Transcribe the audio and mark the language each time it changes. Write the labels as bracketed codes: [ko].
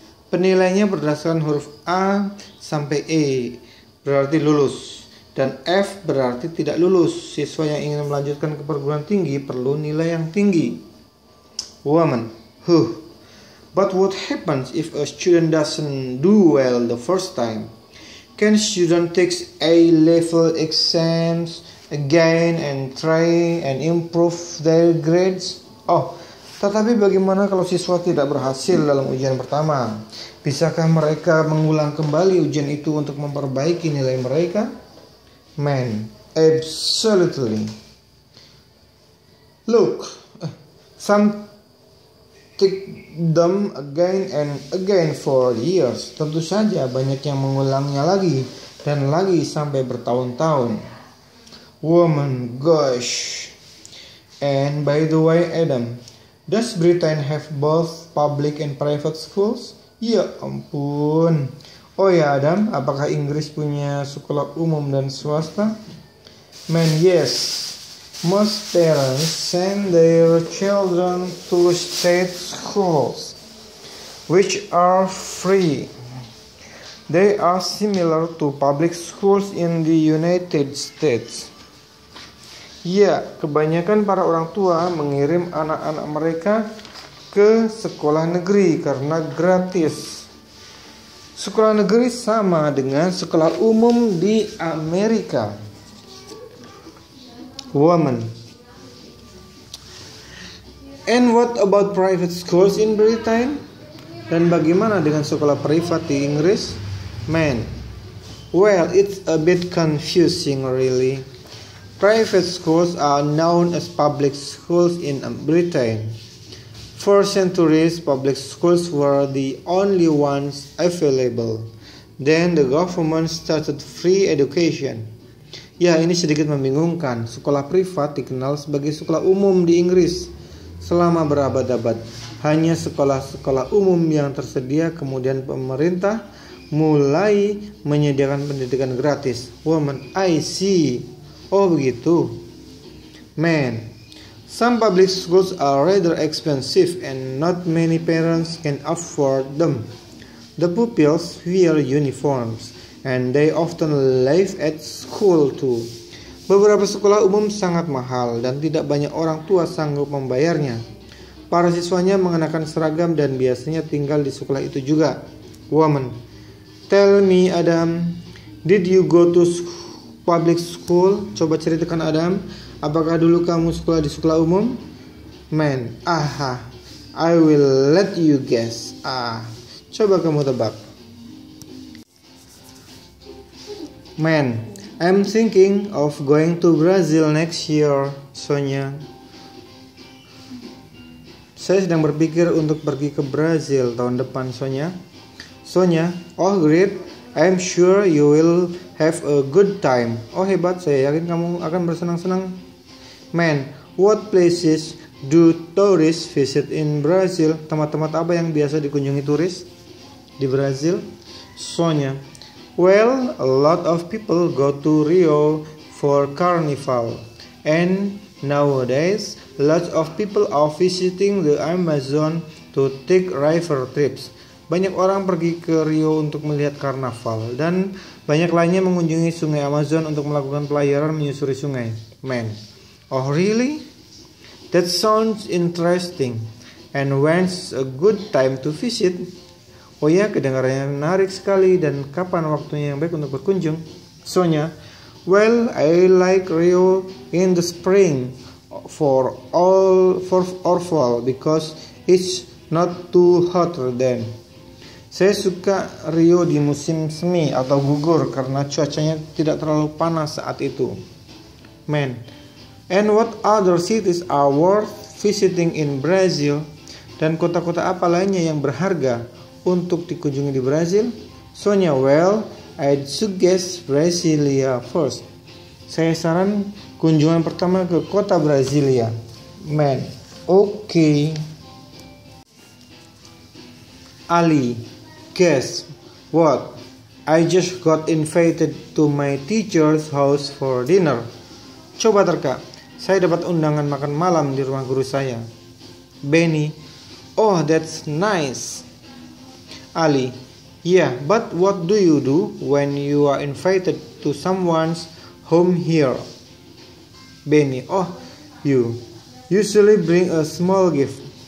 [id] Penilaiannya berdasarkan huruf A sampai E berarti lulus, dan F berarti tidak lulus. Siswa yang ingin melanjutkan ke perguruan tinggi perlu nilai yang tinggi. [en] Woman, but what happens if a student doesn't do well the first time? Can student take A level exams again and try and improve their grades? [id] Oh, tetapi bagaimana kalau siswa tidak berhasil dalam ujian pertama? Bisakah mereka mengulang kembali ujian itu untuk memperbaiki nilai mereka? [en] Man, absolutely. Look, some take them again and again for years. [id] Tentu saja banyak yang mengulangnya lagi dan lagi sampai bertahun-tahun. [en] Woman, gosh. And by the way, Adam, Does Britain have both public and private schools? [id] Ya ampun. Oh ya Adam, apakah Inggris punya sekolah umum dan swasta? [en] Man, yes. Most parents send their children to state schools, which are free. They are similar to public schools in the United States. [id] Ya, kebanyakan para orang tua mengirim anak-anak mereka ke sekolah negeri karena gratis. Sekolah negeri sama dengan sekolah umum di Amerika. [en] Woman. And what about private schools in Britain? [id] Dan bagaimana dengan sekolah privat di Inggris? [en] Man. Well, it's a bit confusing really. Private schools are known as public schools in Britain. For centuries, public schools were the only ones available. Then the government started free education. [id] Ya, ini sedikit membingungkan. Sekolah privat dikenal sebagai sekolah umum di Inggris selama berabad-abad. Hanya sekolah-sekolah umum yang tersedia, kemudian pemerintah mulai menyediakan pendidikan gratis. [en] Woman, I see. [id] Oh, begitu. [en] Man. Some public schools are rather expensive and not many parents can afford them. The pupils wear uniforms and they often live at school too. [id] Beberapa sekolah umum sangat mahal dan tidak banyak orang tua sanggup membayarnya. Para siswanya mengenakan seragam dan biasanya tinggal di sekolah itu juga. [en] Woman, tell me Adam, did you go to public school? [id] Coba ceritakan Adam, apakah dulu kamu sekolah di sekolah umum? [en] Man, aha, I will let you guess. [id] Coba kamu tebak. [en] Man, I'm thinking of going to Brazil next year, Sonia. [id] Saya sedang berpikir untuk pergi ke Brazil tahun depan, Sonia. [en] Sonia, oh great, I'm sure you will have a good time. [id] Oh hebat, saya yakin kamu akan bersenang-senang. [en] Man, what places do tourists visit in Brazil? [id] Tempat-tempat apa yang biasa dikunjungi turis di Brazil? [en] Sonia, well, a lot of people go to Rio for carnival. And nowadays, lots of people are visiting the Amazon to take river trips. [id] Banyak orang pergi ke Rio untuk melihat karnaval. Dan banyak lainnya mengunjungi sungai Amazon untuk melakukan pelayaran menyusuri sungai. [en] Man, oh really? That sounds interesting. And when's a good time to visit? [id] Oh ya, kedengarannya menarik sekali. Dan kapan waktunya yang baik untuk berkunjung? [en] Sonia, well, I like Rio in the spring for fall because it's not too hot then. [id] Saya suka Rio di musim semi atau gugur karena cuacanya tidak terlalu panas saat itu. [en] Man, and what other cities are worth visiting in Brazil? [id] Dan kota-kota apa lainnya yang berharga untuk dikunjungi di Brazil? [en] Sonia, well, I'd suggest Brasilia first. [id] Saya saran kunjungan pertama ke kota Brasilia. [en] Man, okay. Ali, guess what? I just got invited to my teacher's house for dinner. [id] Coba terka, saya dapat undangan makan malam di rumah guru saya. [en] Benny, oh that's nice. Ali, yeah, but what do you do when you are invited to someone's home here? Benny, oh, you usually bring a small gift.